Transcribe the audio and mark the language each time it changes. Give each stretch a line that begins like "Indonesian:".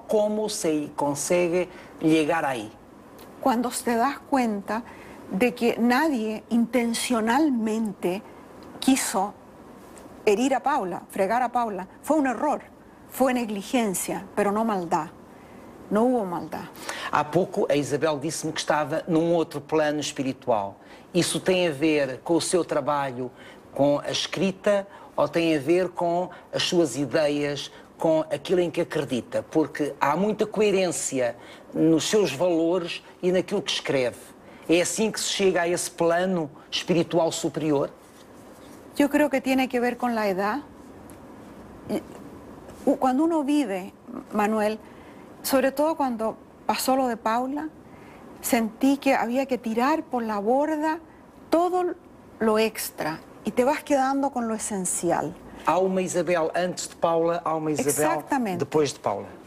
Spanish: ¿Cómo se consigue llegar ahí? Cuando te das cuenta de que nadie intencionalmente quiso herir a Paula, fregar a Paula. Fue un error, fue negligencia, pero no maldad. No hubo maldad.
Portuguese: Há pouco a Isabel disse-me que estava num outro plano espiritual. Isso tem a ver com o seu trabalho, com a escrita, ou tem a ver com as suas ideias, com aquilo em que acredita? Porque há muita coerência nos seus valores e naquilo que escreve. É assim que se chega a esse plano espiritual superior? Eu creio que tem a ver com a idade.
Spanish: Quando uno vive, Manuel, sobre todo quando pasó lo de Paula, sentí que había que tirar por la borda todo lo extra y te vas quedando con lo esencial. Hay una Isabel antes de Paula, hay una Isabel después de Paula.